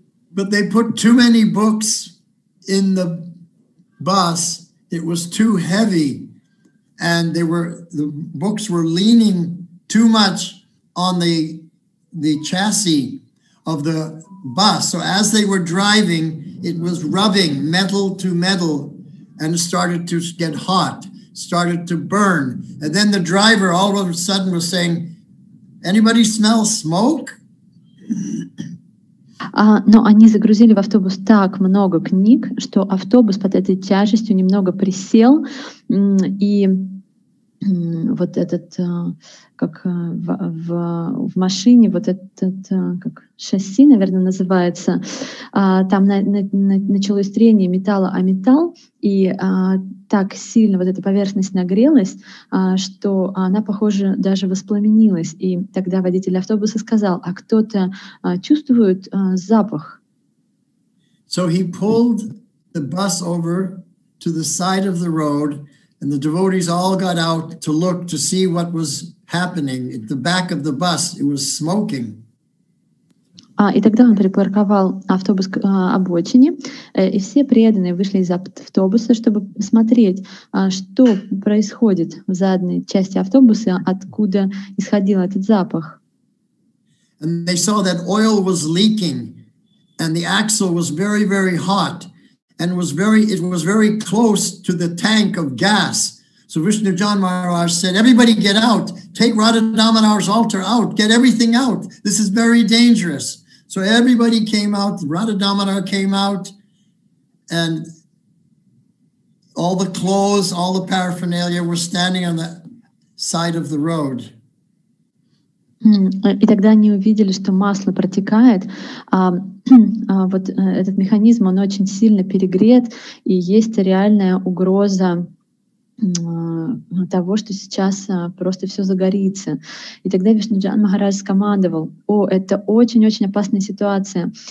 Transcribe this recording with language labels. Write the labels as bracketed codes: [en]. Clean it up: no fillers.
[en] But they put too many books in the bus. It was too heavy, and the books were leaning too much on the chassis of the bus. So as they were driving, it was rubbing metal to metal and started to get hot. started to burn. And then the driver all of a sudden was saying, anybody smell smoke? [ru] Но они загрузили в автобус так много книг, что автобус под этой тяжестью немного присел, и вот этот, как в машине, вот этот, как шасси, наверное, называется, там началось трение металла о металл, и так сильно вот эта поверхность нагрелась, что она, похоже, даже воспламенилась. И тогда водитель автобуса сказал, а кто-то чувствует запах? [en] So he pulled the bus over to the side of the road, and the devotees all got out to look to see what was happening. At the back of the bus, it was smoking. [ru] И тогда он припарковал автобус к обочине, и все преданные вышли из автобуса, чтобы смотреть, что происходит в задней части автобуса, откуда исходил этот запах. [en] And they saw that oil was leaking, and the axle was very, very hot. And it was very close to the tank of gas. So Vishnu John Maharaj said, everybody get out, take Radha Damodar's altar out, get everything out. This is very dangerous. So everybody came out, Radha Damodar came out, and all the clothes, all the paraphernalia were standing on the side of the road. [ru] И тогда они увидели, что масло протекает. Вот этот механизм, он очень сильно перегрет, и есть реальная угроза того, что сейчас просто все загорится. И тогда Вишнуджан Махарадж скомандовал: «О, это очень-очень опасная ситуация.